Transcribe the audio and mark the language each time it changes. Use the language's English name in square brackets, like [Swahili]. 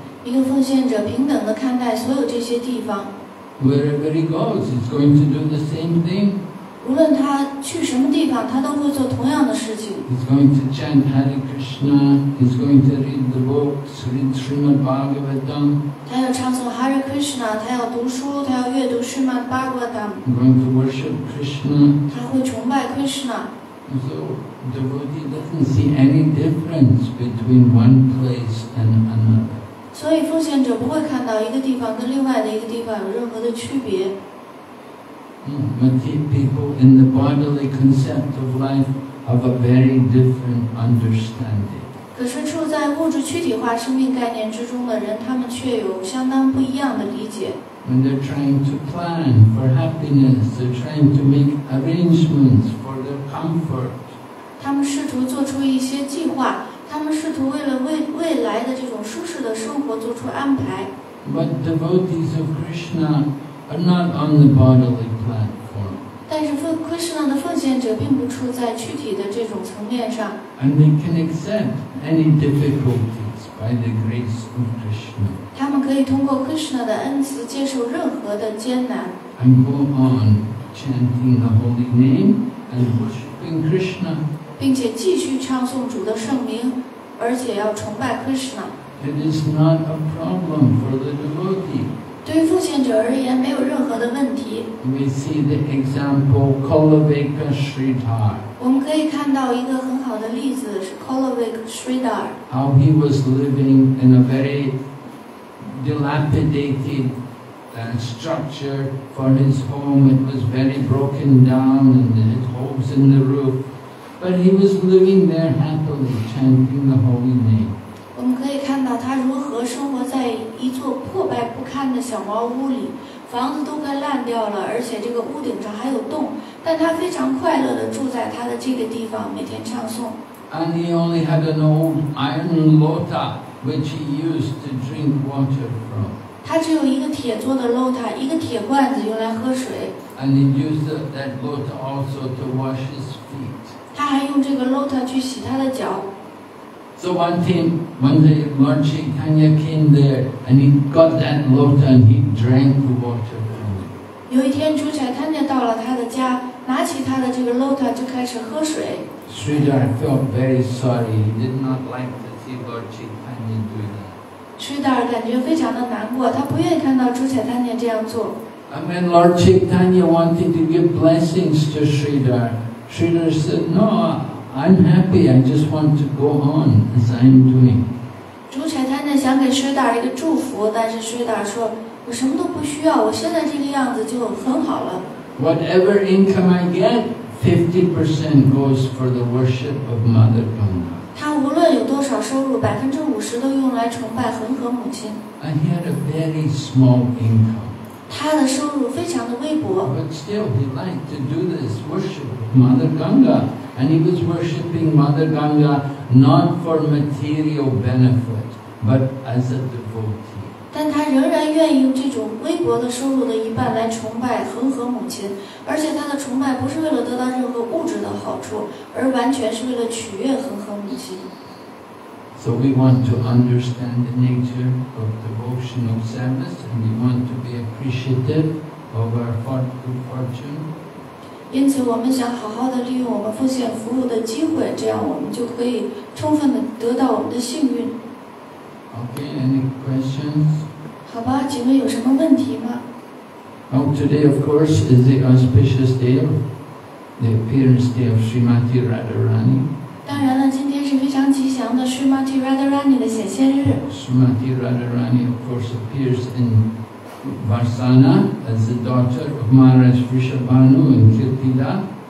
[Chinese] 一个奉献者平等地看待所有这些地方， [English] Wherever he goes, he's going to do the same thing. [Chinese] 无论他去什么地方，他都会做同样的事情。 [English] He's going to chant Hare Krishna. He's going to read the books, read Srimad Bhagavatam. [Chinese] 他要唱诵 Hare Krishna. 他要读书，他要阅读 Srimad Bhagavatam. [English] He's going to worship Krishna. [Chinese] 他会崇拜 Krishna. [English] So the devotee doesn't see any difference between one place and another. [Chinese] 所以奉献者不会看到一个地方跟另外的一个地方有任何的区别。 [English] Material people in the bodily concept of life have a very different understanding. [Chinese] 可是处在物质躯体化生命概念之中的人，他们却有相当不一样的理解。 [English] When they're trying to plan for happiness, they're trying to make arrangements for their comfort. [Chinese] 他们试图做出一些计划。他们试图为了 未来的这种舒适的生活做出安排。 [English] But devotees of Krishna are not on the bodily platform. [Chinese] 但是 Krishna 的奉献者并不处在躯体的这种层面上。 [English] And they can accept any difficulties by the grace of Krishna. [Chinese] 他们可以通过 Krishna 的恩慈接受任何的艰难。 [English] And go on chanting the holy name and worshiping Krishna. [Chinese] 并且继续唱诵主的圣名，而且要崇拜 Krishna。 [English] It is not a problem for the devotee. [Chinese] 对于奉献者而言，没有任何的问题。 [English] We see the example Kalavika Sridhar. [Chinese] 我们可以看到一个很好的例子是 Kalavika Sridhar. [English] How he was living in a very dilapidated structure for his home. It was very broken down and there were holes in the roof. But he was living there happily, chanting the holy name. [Chinese] 我们可以看到他如何生活在一座破败不堪的小茅屋里，房子都快烂掉了，而且这个屋顶上还有洞，但他非常快乐地住在他的这个地方，每天唱诵。 [English] And he only had an old iron lota, which he used to drink water from. [Chinese] 他只有一个铁做的 lota, 一个铁罐子用来喝水。 [English] And he used that lota also to wash his feet. [Chinese] 他还用这个 lota 去洗他的脚。 [English] So one time, one day Lord Chaitanya came there and he got that lota and he drank the water from it. [Chinese] 有一天主宰看见到了他的家，拿起他的这个 lota 就开始喝水。 [English] Sridhar felt very sorry. He did not like to see Lord Chaitanya do that. [Chinese] Sridhar 感觉非常的难过，他不愿意看到主宰看见这样做。 [English] And when Lord Chaitanya wanted to give blessings to Sridhar, Sridhar said, no, I'm happy, I just want to go on as I'm doing. [Chinese] 主 Chaitanya 想给 Sridhar 一个祝福，但是 Sridhar 说，我什么都不需要，我现在这个样子就很好了。 [English] Whatever income I get, 50% goes for the worship of Mother Ganga. [Chinese] 他无论有多少收入，50%都用来崇拜恒河母亲。 [English] And he had a very small income. [Chinese] 他的收入非常的微薄。 [English] But still, he liked to do this worship of Mother Ganga, and he was worshiping Mother Ganga not for material benefit, but as a devotee. [Chinese] 但他仍然愿意用这种微薄的收入的一半来崇拜恒河母亲，而且他的崇拜不是为了得到任何物质的好处，而完全是为了取悦恒河母亲。 [English] So we want to understand the nature of devotional service, and we want to be appreciative of our good fortune. [Chinese] 因此，我们想好好的利用我们奉献服务的机会，这样我们就可以充分的得到我们的幸运。 [English] Okay, any questions? [Chinese] 好吧，请问有什么问题吗？ [English] Oh, today, of course, is the auspicious day of the appearance day of Srimati Radharani. [Chinese] 当然了，今天是非常吉祥的 Srimati Radharani 的显现日。 [English] Srimati Radharani, of course, appears in Varsana as the daughter of Maharaj Vrishabhanu in Kirtila.